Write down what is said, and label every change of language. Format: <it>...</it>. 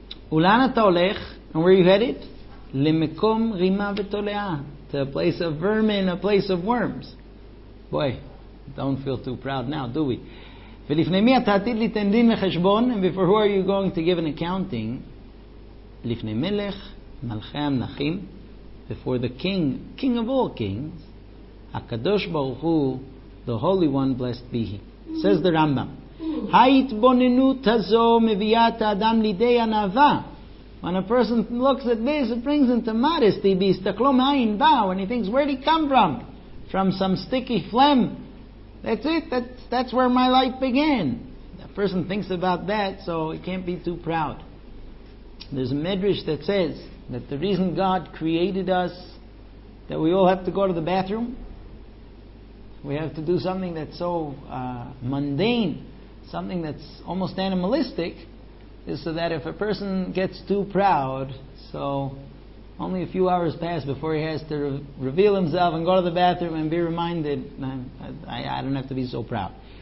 <he>Ulan ata olech,</he> <en>and where are you headed?</en> <he>Lemekom rima v'tolea,</he> <en>to a place of vermin, a place of worms. Boy, don't feel too proud now, do we?</en> <he>ולפני מי אתה עתיד ליתן דין וחשבון?</he> <en>And before who are you going to give an accounting?</en> <he>לפני מלך מלכי המלכים,</he> <en>before the king, king of all kings,</en> <he>הקדוש ברוך הוא,</he> <en>the holy one, blessed be he. Says the Rambam,</en> <he>ההתבוננות הזו מביאה את האדם לידי ענווה.</he> <en>When a person looks at this, it brings him to modesty.</en> <he>בהסתכלו מאין בא,</he> <en>when he thinks, where did he come from? From some sticky phlegm. That's it. That's where my life began. A person thinks about that, so he can't be too proud. There's a medrash that says that the reason God created us, that we all have to go to the bathroom, we have to do something that's so mundane, something that's almost animalistic, is so that if a person gets too proud, so only a few hours pass before he has to reveal himself and go to the bathroom and be reminded, I don't have to be so proud.</en>